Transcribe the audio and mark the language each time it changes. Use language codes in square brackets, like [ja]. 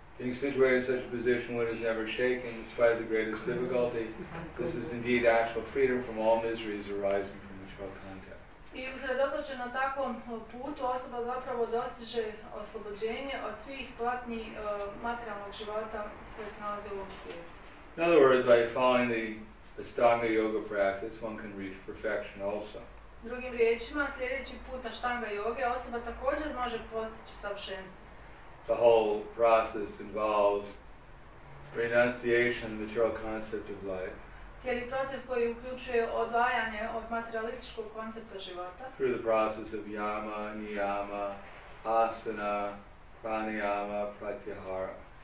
[en] Being situated in such a position one is never shaken despite the greatest difficulty, this is indeed actual freedom from all miseries arising from material contact. [bs] I usredotočen na takvom putu osoba zapravo dostiže oslobođenje od svih platnji materijalnog života koje se nalaze u ovom svijetu. [en] In other words, by following the Ashtanga yoga practice, one can reach perfection also. [bs] Drugim riječima, sljedeći put Ashtanga yoga osoba također može postići savršenstvo. [en] The whole process involves renunciation of the material concept of life. [bs] Cijeli proces koji uključuje odvajanje od materialističkog koncepta života. [en] Through the process of yama, niyama, asana, pranayama, pratyahara.